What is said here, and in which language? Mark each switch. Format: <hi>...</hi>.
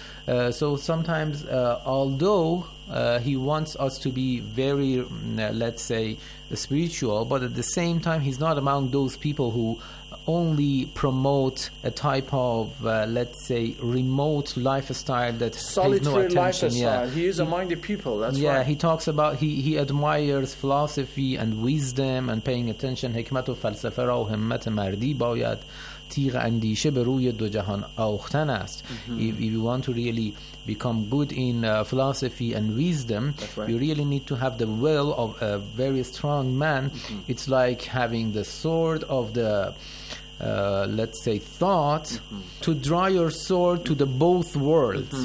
<en>So sometimes, although he wants us to be very, let's say, spiritual, but at the same time, he's not among those people who only promote a type of, let's say, remote lifestyle that solitary pays no attention. Yeah. He is among the people, that's yeah, right. Yeah, he talks about, he admires philosophy and wisdom and paying attention.</en> <fa>حکمت و فلسفه را و همت مردی باید تیغ اندیشه به روی دو جهان آختن است.</fa> <en>If you want to really become good in philosophy and wisdom, right. You really need to have the will of a very strong man. Mm-hmm. It's like having the sword of the, let's say, thought, mm-hmm. to draw your sword to the both worlds.</en>